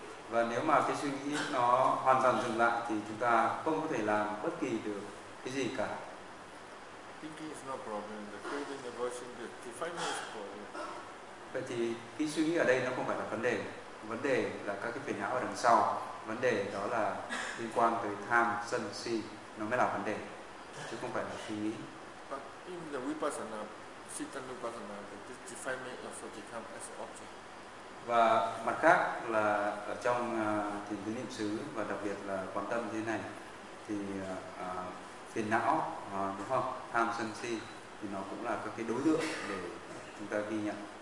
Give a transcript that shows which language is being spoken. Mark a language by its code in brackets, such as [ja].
[vi] Và nếu mà cái suy nghĩ nó hoàn toàn dừng lại thì chúng ta không có thể làm bất kỳ được cái gì cả. [en] Thinking is not problem. The craving, the aversion, the defilement is problem. [vi] Vậy thì cái suy nghĩ ở đây nó không phải là vấn đề. Vấn đề là các cái phiền não ở đằng sau. Vấn đề đó là liên quan tới tham, sân, si. Nó mới là vấn đề, chứ không phải là suy nghĩ. [en] But in the vipassana, sitana vipassana, the defilement also become as an object. [vi] Và mặt khác là ở trong thiền tứ niệm xứ, và đặc biệt là quan tâm như thế này, thì phiền não, đúng không? Tham sân si thì nó cũng là các cái đối tượng để chúng ta ghi nhận.